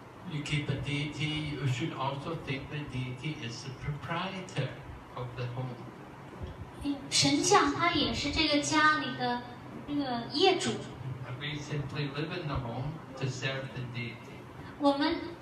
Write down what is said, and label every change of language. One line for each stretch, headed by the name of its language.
English: You keep a deity, you should also think the deity is the proprietor of the home.
Chinese: 神像它也是这个家里的业主。
English: We simply live in the home to serve the deity.